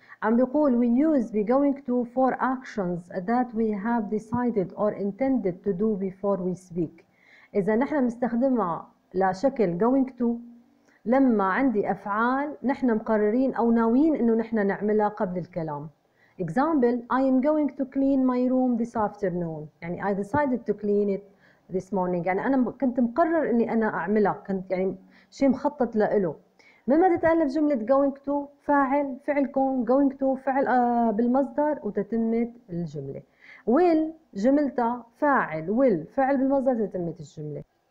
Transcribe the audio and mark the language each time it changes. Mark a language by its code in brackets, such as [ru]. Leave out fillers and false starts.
[ar] عم بيقول [en] we use going to for actions that we have decided or intended to do before we speak. [ar] اذا نحن مستخدمها لشكل going to لما عندي افعال نحن مقررين او ناويين انه نحن نعملها قبل الكلام. [en] example I am going to clean my room this afternoon. [ar] يعني [en] I decided to clean it this morning، [ar] يعني انا كنت مقرر اني انا اعملها، كنت يعني شيء مخطط له. مما تتالف جمله going to فاعل فعل كون، going to فعل بالمصدر، وتتمت الجمله. will جملتها فاعل، will فعل بالمصدر، تتمت الجمله.